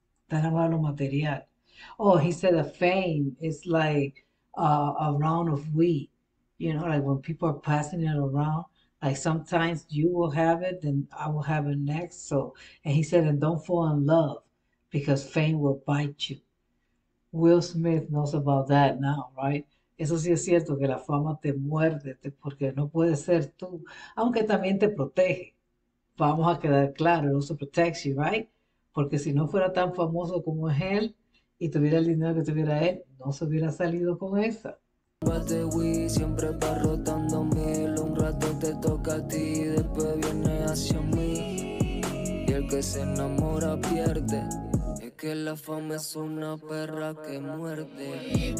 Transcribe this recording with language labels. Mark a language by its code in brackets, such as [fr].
[es] Tan amado lo material. [en] Oh, he said the fame is like a round of wheat, you know, like when people are passing it around, like sometimes you will have it, then I will have it next. So, and he said, and don't fall in love because fame will bite you. Will Smith knows about that now, right? [es] Eso sí es cierto, que la fama te muerde, porque no puede ser tú, aunque también te protege. Vamos a quedar claro, [en] it also protects you, right? [es] Porque si no fuera tan famoso como es él, y tuviera el dinero que tuviera él, no se hubiera salido con esa. Siempre va rotando mil. Un rato te toca a ti, después viene hacia mí. Y el que se enamora pierde. Es que la fama es una perra que muerde.